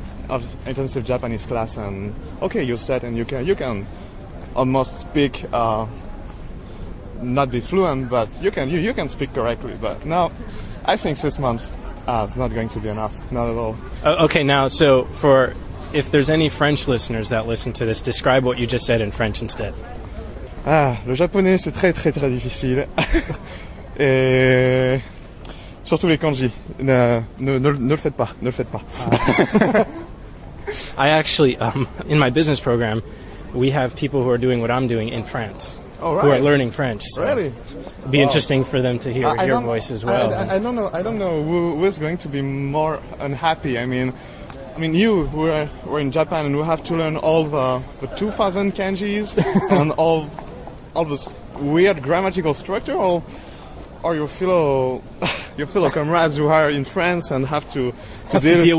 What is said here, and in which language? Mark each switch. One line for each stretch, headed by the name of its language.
English: Of intensive Japanese class, and okay, you're set, and you can almost speak, not be fluent, but you can speak correctly. But now, I think 6 months is not going to be enough, not at all. Okay, now, so for if there's any French listeners that listen to this, describe what you just said in French instead.
French: Ah, le japonais c'est très très très difficile, et surtout les kanji. Ne le faites pas, ne le faites pas.
English: I actually, in my business program, we have people who are doing what I'm doing in France. Oh, right. Who are learning French. So really? Be wow. Interesting for them to hear your voice as well. I don't know who's going to be more unhappy. I mean, you, who are in Japan and who have to learn all the 2,000 kanjis and all this weird grammatical structure, or your fellow comrades who are in France and have to deal